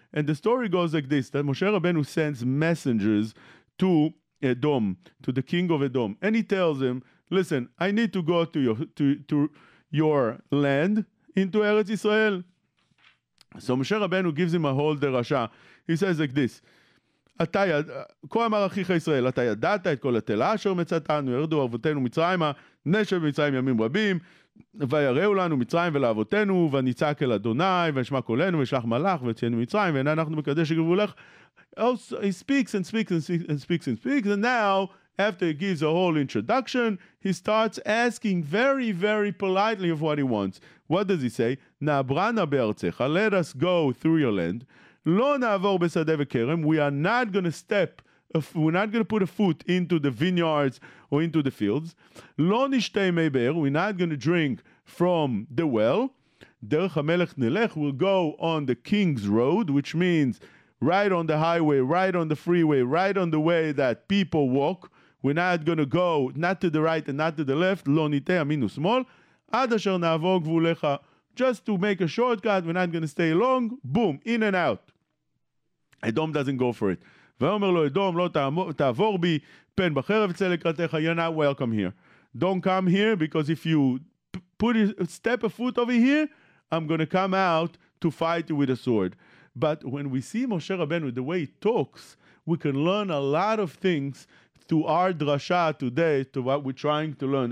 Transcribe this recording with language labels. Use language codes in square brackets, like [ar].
[en] And the story goes like this, that Moshe Rabbeinu sends messengers to Edom, to the king of Edom. And he tells him, listen, I need to go to your land, into Eretz Yisrael. So Moshe Rabbeinu gives him a whole derasha. He says like this, [he] כה אמר אחיך ישראל, אתה ידעת את כל התלה אשר מצאתנו, ירדו אבותינו מצרימה, נשב מצרים ימים רבים, ויראו לנו מצרים ולאבותינו, וניצק אל אדוני, ונשמע קולנו, ונשלח מלאך, ויציאנו מצרים, ואין אנחנו מקדש שגבולך. [en] He speaks and speaks and speaks and speaks and speaks, and now, after he gives a whole introduction, he starts asking very, very politely of what he wants. What does he say? [he] נעברנה בארצך, [en] let us go through your land. [he] לא נעבור בשדה וכרם, [en] we are not going to step, we're not going to put a foot into the vineyards or into the fields. [he] לא נשתה מי באר, [en] we're not going to drink from the well. [he] דרך המלך נלך, [en] we'll go on the king's road, which means right on the highway, right on the freeway, right on the way that people walk. We're not going to go not to the right and not to the left. [he] לא ניתה אמינו שמאל. עד אשר נעבור גבוליך, [en] just to make a shortcut, we're not going to stay long, boom, in and out. Edom doesn't go for it. [he] ואומר לו, אדום, לא תעבור בי, פן בחרב צא לקראתך, [en] you're not welcome here. Don't come here, because if you step a foot over here, I'm going to come out to fight you with a sword. But when we see Moshe Rabbeinu, the way he talks, we can learn a lot of things to our drasha today, to what we're trying to learn.